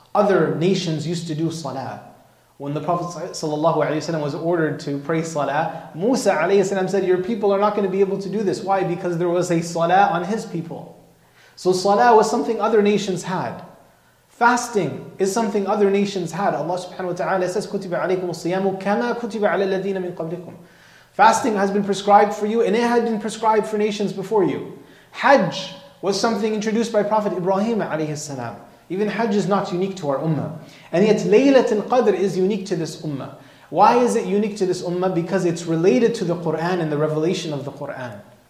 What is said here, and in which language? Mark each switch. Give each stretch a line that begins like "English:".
English: Other nations used to do salah. When the Prophet sallallahu alayhi wa sallam was ordered to pray salah, Musa alayhi wa sallam said, your people are not going to be able to do this. Why? Because there was a salah on his people. So salah was something other nations had. Fasting is something other nations had.
Arabic: Allah subhanahu wa ta'ala says, كُتِبَ عَلَيْكُمُ الصِّيَامُ كَمَا كُتِبَ عَلَى الَّذِينَ مِنْ قَبْلِكُمْ.
English: Fasting has been prescribed for you and it had been prescribed for nations before you. Hajj was something introduced by Prophet Ibrahim alayhi salam. Even Hajj is not unique to our Ummah. And yet Laylatul Qadr is unique to this Ummah. Why is it unique to this Ummah? Because it's related to the Qur'an and the revelation of the Qur'an.